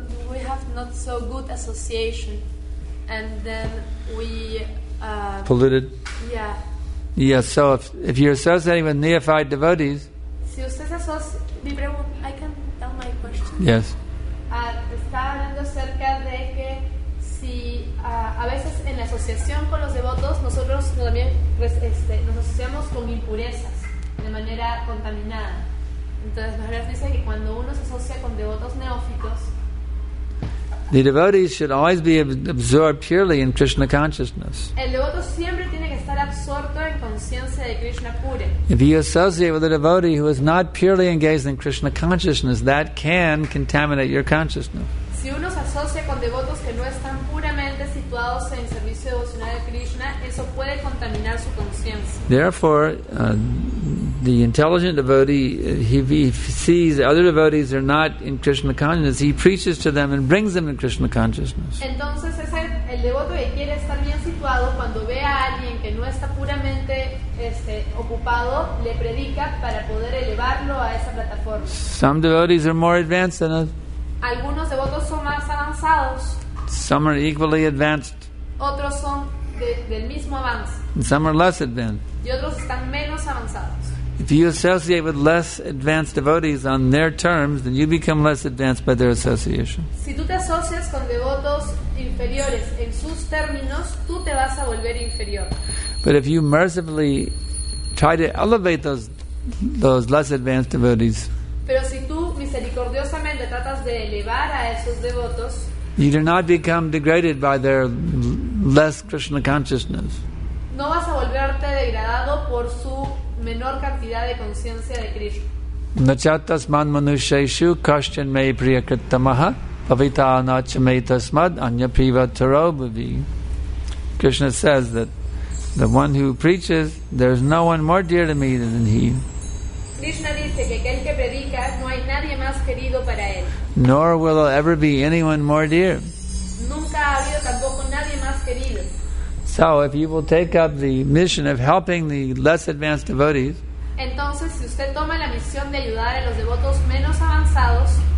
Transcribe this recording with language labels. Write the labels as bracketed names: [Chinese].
[English] We have not so good association, and then we. Polluted. Yeah. Yes. Yeah, so if you're associating with neophyte devotees. [Spanish] Si usted asocia, [English] I can tell my question. Yes. [Spanish] Estaba hablando acerca de que si a veces en la asociación con los devotos nosotros también nos asociamos con impurezas de manera contaminada. Entonces Maharaj dice que cuando uno se asocia con devotos neófitos, [English] the devotees should always be absorbed purely in Krishna consciousness. [Spanish] El devoto siempre tiene que estar absorto en conciencia de Krishna pura. [English] If you associate with a devotee who is not purely engaged in Krishna consciousness, that can contaminate your consciousness. [Spanish] Si uno se asocia con devotos que no están puramente situados en servicio devocional de Krishna, eso puede contaminar su conciencia. [English] Therefore, the intelligent devotee, if he sees other devotees are not in Krishna consciousness, he preaches to them and brings them in Krishna consciousness. [Spanish] Entonces es el devoto que quiere estar bien situado cuando ve a alguien que no está puramente ocupado, le predica para poder elevarlo a esa plataforma. [English] Some devotees are more advanced than us. [Spanish] Algunos devotos son más avanzados. [English] Some are equally advanced. [Spanish] Otros son del mismo avance. [English] And some are less advanced. [Spanish] Y otros están menos avanzados. [English] If you associate with less advanced devotees on their terms, then you become less advanced by their association. [Spanish] Si tú te asocias con devotos inferiores en sus términos, tú te vas a volver inferior. [English] But if you mercifully try to elevate those less advanced devotees, [Spanish] pero si tú misericordiosamente tratas de elevar a esos devotos, [English] you do not become degraded by their less Krishna consciousness. [Spanish] No vas a volverte degradado por su menor cantidad de conciencia de Krishna. [Sanskrit] Nachatas man manusheshu me priyakritamaha pavita anachametas mad anya piva tarobhavi. [English] Krishna says that the one who preaches, there is no one more dear to me than he. [Spanish] Krishna dice que aquel que predica no hay nadie más querido para él. [English] Nor will there ever be anyone more dear. [Spanish] Nunca ha habido tampoco nadie más querido. [English] So if you will take up the mission of helping the less advanced devotees, [Spanish] entonces si usted toma la misión de ayudar a los devotos menos avanzados,